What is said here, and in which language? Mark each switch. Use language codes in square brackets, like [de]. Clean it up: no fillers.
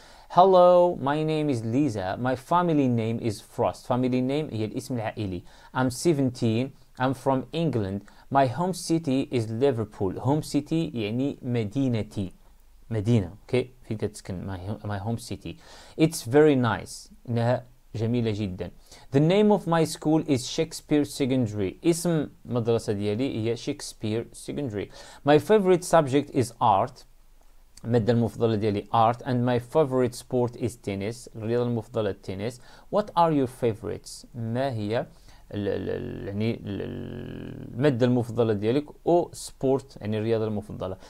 [en] hello my name is Lisa, my family name is Frost. family name [ar] هي الاسم العائلي. [en] I'm 17, I'm from England. My home city is Liverpool. home city [ar] يعني مدينتي مدينة اوكي فين كتسكن. [en] my home city it's very nice انها [ar] جميلة جدا. [en] The name of my school is Shakespeare Secondary. [ar] اسم مدرسة ديالي هي Shakespeare Secondary. [en] My favorite subject is art. [ar] المادة المفضلة ديالي art. [en] And my favorite sport is tennis. [ar] الرياضة المفضلة التنس. [en] What are your favorites? [ar] ما هي يعني المادة المفضلة ديالك أو sport يعني الرياضة المفضلة.